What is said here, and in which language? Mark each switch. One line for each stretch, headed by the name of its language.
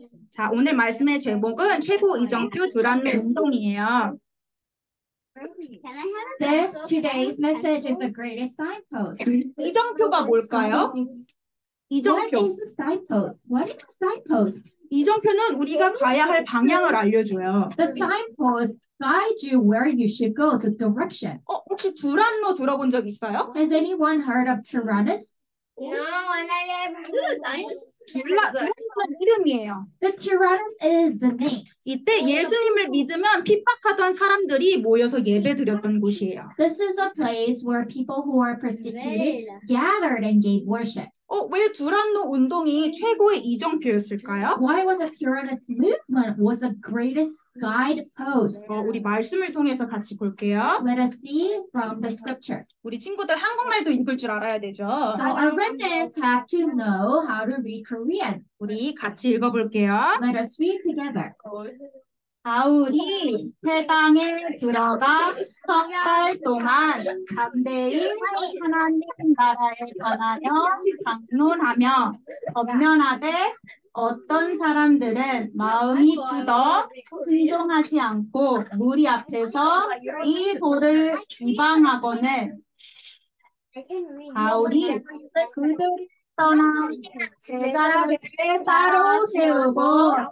Korean: 자, 오늘 말씀의 제목은 최고 이정표 두란노 운동이에요.
English: This today's message is the greatest signpost.
Korean: 이정표가 뭘까요? 이정표.
English: What is the signpost? What is the signpost?
Korean: 이정표는 우리가 가야 할 방향을 알려줘요.
English: The signpost guides you where you should go, the direction.
Korean: 어, 혹시 두란노 들어본 적 있어요?
English: Has anyone heard of Tyrannus? The Tyrannus is the name.
Korean: 이때 예수님을 믿으면 핍박하던 사람들이 모여서 예배드렸던 곳이에요.
English: This is a place where people who are persecuted gathered and gave worship.
Korean: 어, 왜 두란노 운동이 최고의 이정표였을까요?
English: Why was the Tyrannus movement was the greatest guidepost?
Korean: 어, 우리 말씀을 통해서 같이 볼게요.
English: Let us see from the scripture.
Korean: 우리 친구들 한국말도 읽을 줄 알아야 되죠.
English: So our remnants have to know how to read Korean.
Korean: 우리 같이 읽어볼게요.
English: Let us read together.
Korean: 바울이 회당에 들어가 석달 동안 담대히 하나님 나라에 전하여 강론하며 권면하되 어떤 사람들은 마음이 굳어 순종하지 않고 무리 앞에서 이 돌을 비방하거늘 바울이 그들이 떠나 제자들을 따로 세우고